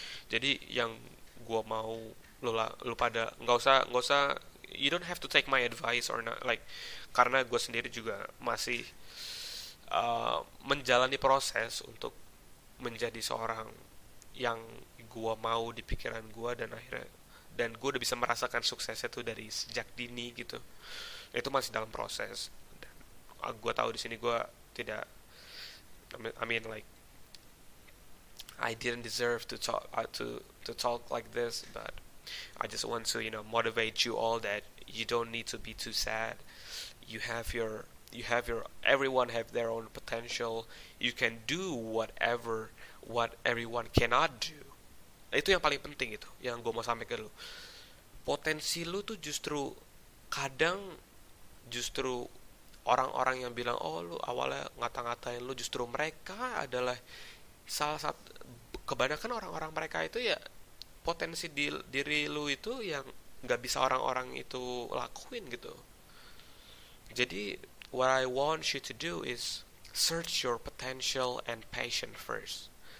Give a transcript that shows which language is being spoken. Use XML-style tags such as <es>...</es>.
<id>Jadi yang gua mau lu lah, lu pada nggak usah</id> <en>you don't have to take my advice or not, like</en> <id>karena gue sendiri juga masih menjalani proses untuk menjadi seorang yang gue mau di pikiran gue, dan akhirnya dan gue udah bisa merasakan suksesnya tuh dari sejak dini gitu, itu masih dalam proses. Gue tahu di sini gue tidak,</id> <en>I mean like I didn't deserve to talk to talk like this, but I just want to, you know, motivate you all that you don't need to be too sad. Everyone have their own potential. You can do whatever what everyone cannot do.</en> <id>Nah, itu yang paling penting itu, yang gue mau sampaikan ke lu. Potensi lu tuh justru kadang justru orang-orang yang bilang, oh lu awalnya ngata-ngatain lu, justru mereka adalah salah satu, kebanyakan orang-orang mereka itu ya potensi di diri lu itu yang nggak bisa orang-orang itu lakuin gitu.</id> <en>Jadi what I want you to do is search your potential and passion first.</en>